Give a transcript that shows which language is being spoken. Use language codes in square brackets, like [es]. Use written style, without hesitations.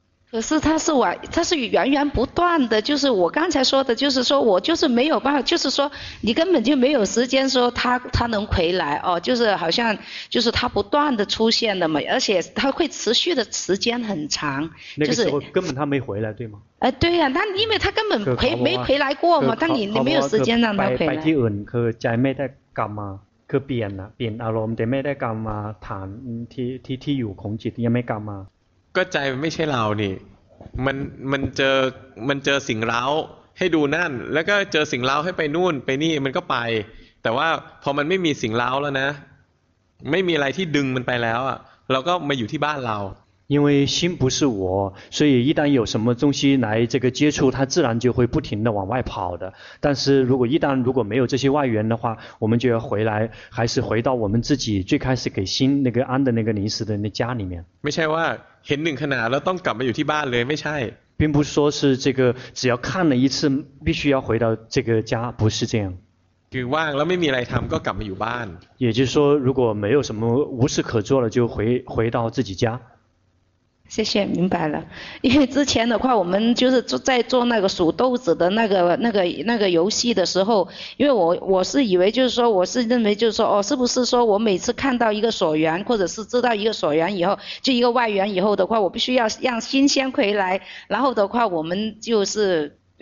[zh] 可是他是玩，他是源源不断的，就是我刚才说的，就是说我就是没有办法，就是说你根本就没有时间说他能回来哦，就是好像就是他不断的出现的嘛，而且他会持续的时间很长，那个时候根本他没回来对吗？对呀，那因为他根本回没回来过嘛，但你没有时间让他回来。 [th] ที่อื่นคือใจไม่ได้กลับมาคือเปลี่ยนนะเปลี่ยนอารมณ์แต่ไม่ได้กลับมาฐานที่อยู่ของจิตยังไม่กลับมา ก็ใจไม่ใช่เรานี่มันเจอสิ่งเร้าให้ดูนั่นแล้วก็เจอสิ่งเร้าให้ไปนู่นไปนี่มันก็ไปแต่ว่าพอมันไม่มีสิ่งเร้าแล้วนะไม่มีอะไรที่ดึงมันไปแล้วอ่ะเราก็มาอยู่ที่บ้านเรา [zh] 因为心不是我所以一旦有什么东西来这个接触它自然就会不停的往外跑的但是如果一旦如果没有这些外缘的话我们就要回来还是回到我们自己最开始给心那个安的那个临时的那家里面 [th] ไม่ใช่ว่าเห็นหนึ่งขนาดแล้วต้องกลับมาอยู่ที่บ้านเลยไม่ใช่ [zh] 并不是说是这个只要看了一次必须要回到这个家不是这样 [th] คือว่างแล้วไม่มีอะไรทำก็กลับมาอยู่บ้าน [zh] 也就是说如果没有什么无事可做了就回到自己家谢谢明白了因为之前的话我们就是在做那个数豆子的那个游戏的时候因为我是以为就是说我是认为就是说哦是不是说我每次看到一个所缘或者是知道一个所缘以后就一个外缘以后的话我必须要让心先回来然后的话我们就是